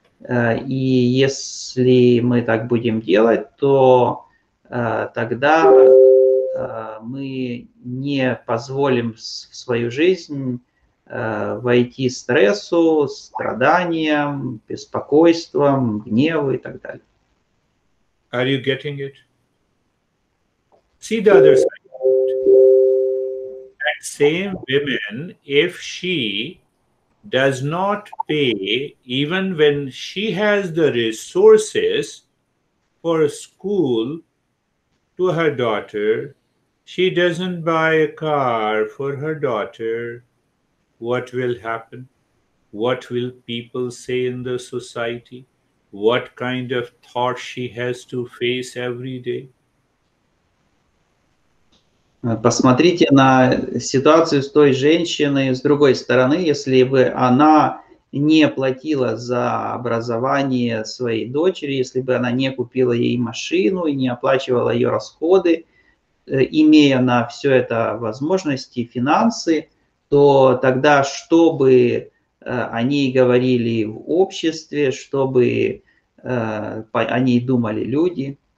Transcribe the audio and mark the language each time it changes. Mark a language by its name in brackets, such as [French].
[Russian] И если мы так будем делать, то тогда мы не позволим в свою жизнь войти стрессу, страданиям, беспокойствам, гневу и так далее. [English] Are you getting it? See the other side. That same woman, if she does not pay, even when she has the resources for school to her daughter, she doesn't buy a car for her daughter, what will happen? What will people say in the society? What kind of thought she has to face every day? [Russian] Посмотрите на ситуацию с той женщиной. С другой стороны, если бы она не платила за образование своей дочери, если бы она не купила ей машину и не оплачивала ее расходы, имея на все это возможности, финансы, то тогда что бы о ней говорили в обществе, что бы о ней думали люди?